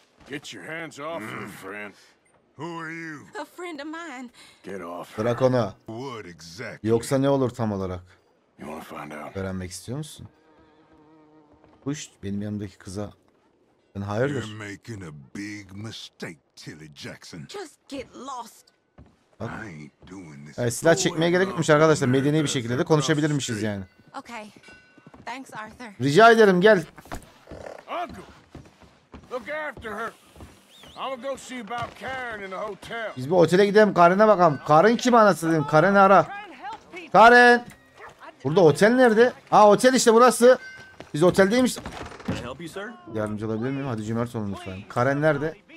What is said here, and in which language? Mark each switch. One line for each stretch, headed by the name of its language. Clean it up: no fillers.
English: Get your hands off me, friend. Who are you? A friend of mine. Get off.
Turkish: Bırak onu.
English: What exactly?
Turkish: Yoksa ne olur tam olarak?
English: You wanna find out?
Turkish: Öğrenmek istiyor musun? Push benim yanımdaki kıza. Ben hayırdır?
English: You're making a big mistake, Tilly Jackson. Just get lost. Bak. I ain't doing this.
Turkish: Silah çekmeye gerek yokmuş arkadaşlar. Medeni bir şekilde de konuşabilirmişiz yani.
English: Okay. Thanks, Arthur.
Turkish: Rica ederim gel.
English: Uncle, look after her. I'll go see about Karen in the hotel.
Turkish: Biz bir otele gidelim Karen'e bakalım. Karen kim anası dedim? Karen'i ara. Karen! Burada otel nerede? Aa otel işte burası. Biz oteldeymiş. Yardımcı olabilir miyim? Hadi cömert olun lütfen. Karen nerede?